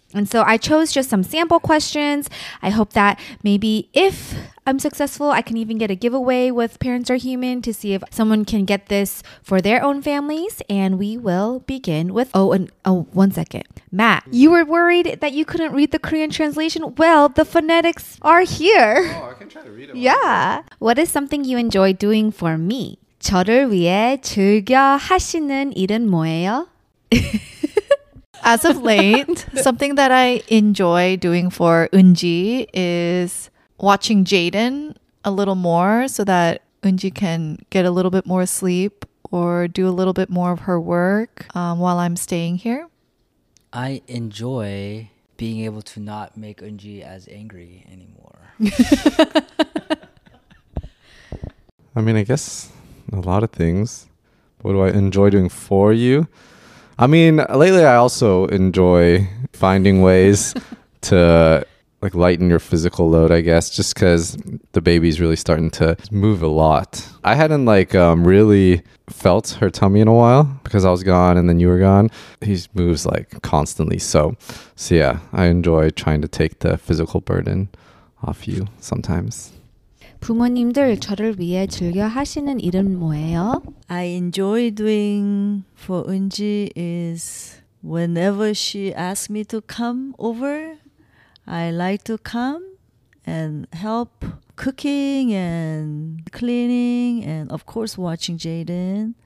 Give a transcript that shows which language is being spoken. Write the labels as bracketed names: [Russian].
[English] And so I chose just some sample questions. I hope that maybe if I'm successful, I can even get a giveaway with Parents Are Human to see if someone can get this for their own families. And we will begin with, one second. Matt, you were worried that you couldn't read the Korean translation? Well, the phonetics are here. Oh, I can try to read it. Yeah. What is something you enjoy doing for me? [Korean] 저를 위해 즐겨 하시는 일은 뭐예요? [English] As of late, something that I enjoy doing for Eunji is watching Jaden a little more so that Eunji can get a little bit more sleep or do a little bit more of her work while I'm staying here. I enjoy being able to not make Eunji as angry anymore. I mean, I guess a lot of things. What do I enjoy doing for you? I mean, lately I also enjoy finding ways to like lighten your physical load, I guess, just because the baby's really starting to move a lot. I hadn't like really felt her tummy in a while because I was gone and then you were gone. He moves like constantly. So yeah, I enjoy trying to take the physical burden off you sometimes. [Korean] 부모님들 저를 위해 즐겨 하시는 일은 뭐예요? [English] I enjoy doing for Eunji is whenever she asks me to come over, I like to come and help cooking and cleaning and of course watching Jaden.